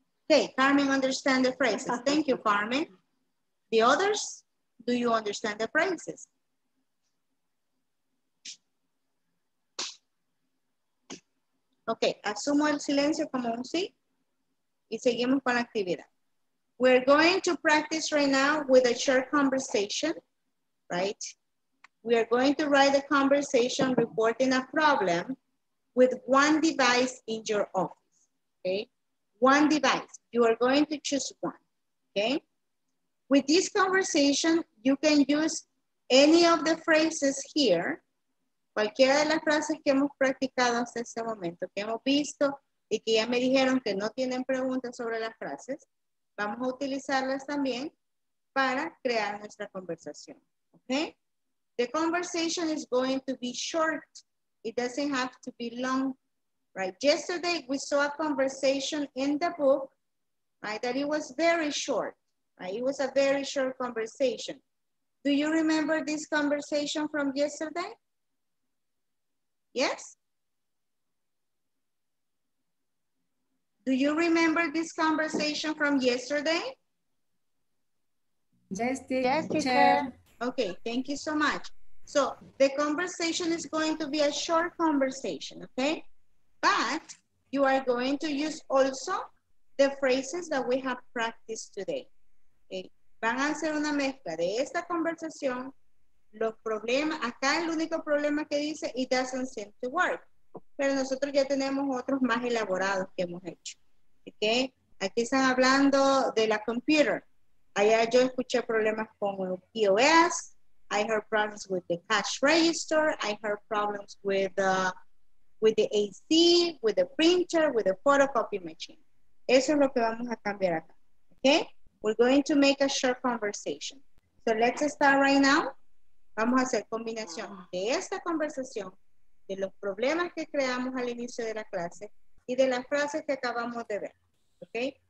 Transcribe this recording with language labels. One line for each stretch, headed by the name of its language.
English: Okay, Carmen understand the phrases. Thank you, Carmen. The others, do you understand the phrases?
Spanish: Ok, asumo el silencio como un sí y seguimos con la actividad.
English: We're going to practice right now with a short conversation, right? We are going to write a conversation reporting a problem with one device in your office, okay? One device, you are going to choose one, okay? With this conversation, you can use any of the phrases here.
Spanish: Cualquiera de las frases que hemos practicado hasta este momento, que hemos visto y que ya me dijeron que no tienen preguntas sobre las frases, vamos a utilizarlas también para crear nuestra conversación.
English: Okay? The conversation is going to be short. It doesn't have to be long. Right? Yesterday we saw a conversation in the book, right, that it was very short. Right? It was a very short conversation. Do you remember this conversation from yesterday? Yes? Do you remember this conversation from yesterday? Yes, teacher. Okay, thank you so much. So the conversation is going to be a short conversation, okay? But you are going to use also the phrases that we have practiced today. Okay?
Spanish: Van a hacer una mezcla de esta conversación. Los problemas, acá el único problema que dice,
English: it doesn't seem to work.
Spanish: Pero nosotros ya tenemos otros más elaborados que hemos hecho. ¿Okay? Aquí están hablando de la computer. Allá yo escuché problemas con el POS.
English: I heard problems with the cash register. I heard problems with the AC, with the printer, with the photocopy machine.
Spanish: Eso es lo que vamos a cambiar acá. ¿Okay?
English: We're going to make a short conversation. So let's start right now.
Spanish: Vamos a hacer combinación de esta conversación, de los problemas que creamos al inicio de la clase y de las frases que acabamos de ver. ¿Ok?